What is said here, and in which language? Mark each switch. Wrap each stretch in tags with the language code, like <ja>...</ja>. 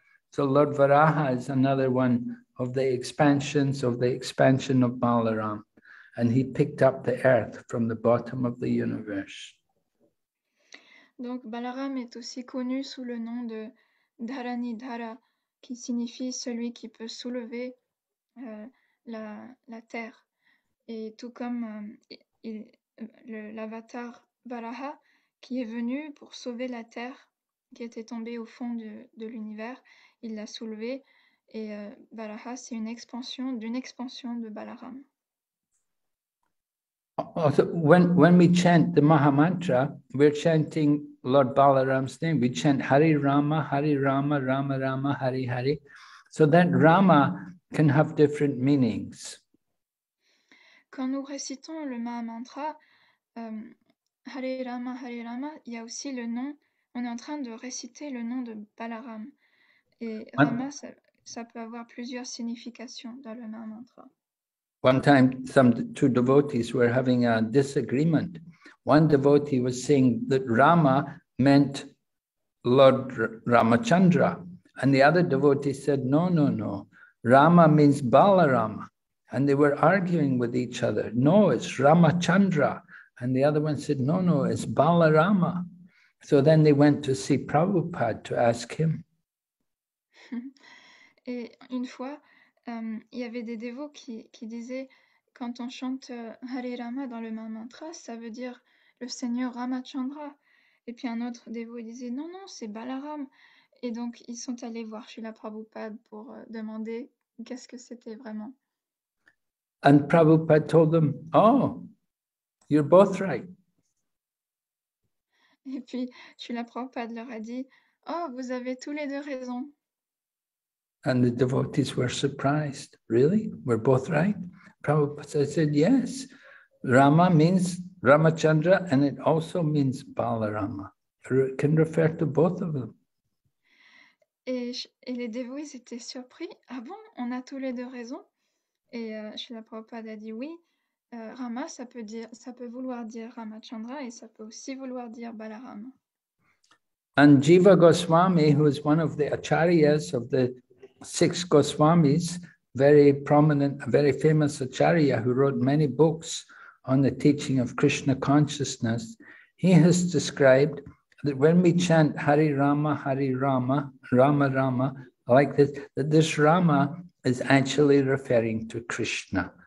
<en>So Lord Varaha is another one of the expansions of the expansion of Balaram, and he picked up the earth from the bottom of the universe.</en> <fr>Donc Balaram est aussi connu sous le nom de Dharanidhara, qui signifie celui qui peut soulever la terre, et tout comme l'avatar Varaha qui est venu pour sauver la terre qui était tombée au fond de l'univers, il l'a soulevé, et Varaha c'est une expansion d'une expansion de Balaram.</fr> <en>Also, when we chant the Maha Mantra, we're chanting Lord Balaram's name. We chant Hari Rama, Hari Rama, Rama Rama, Hari Hari. So that Rama can have different meanings.</en> <fr>Quand nous récitons le Maha Mantra, Hari Rama, Hari Rama, il y a aussi le nom, on est en train de réciter le nom de Balaram. Et Rama, ça peut avoir plusieurs significations dans le Maha Mantra.</fr> <en>One time, two devotees were having a disagreement. One devotee was saying that Rama meant Lord Ramachandra. And the other devotee said, no, no, no. Rama means Balarama. And they were arguing with each other. No, it's Ramachandra. And the other one said, no, no, it's Balarama. So then they went to see Prabhupada to ask him.</en> <fr>Et une fois, il y avait des dévots qui disaient, quand on chante Hare Rama dans le Maha Mantra, ça veut dire le Seigneur Ramachandra. Et puis un autre dévot disait, non, non, c'est Balaram. Et donc, ils sont allés voir Srila Prabhupada pour demander qu'est-ce que c'était vraiment.</fr> <en>And Prabhupada told them, oh, you're both right.</en> <fr>Et puis, Srila Prabhupada leur a dit, oh, vous avez tous les deux raison.</fr> <en>And the devotees were surprised. Really? We're both right? Prabhupada said, yes. Rama means Ramachandra and it also means Balarama. It can refer to both of them.</en> <fr>Et les dévots étaient surpris. Ah bon, on a tous les deux raison? Et Srila Prabhupada a dit oui. Rama, ça peut vouloir dire Ramachandra et ça peut aussi vouloir dire Balarama.</fr> <en>And Jiva Goswami, who is one of the acharyas of the six Goswamis, very prominent, very famous acharya who wrote many books on the teaching of Krishna consciousness, he has described that when we chant Hari Rama, Rama Rama, like this, that this Rama is actually referring to Krishna.</en>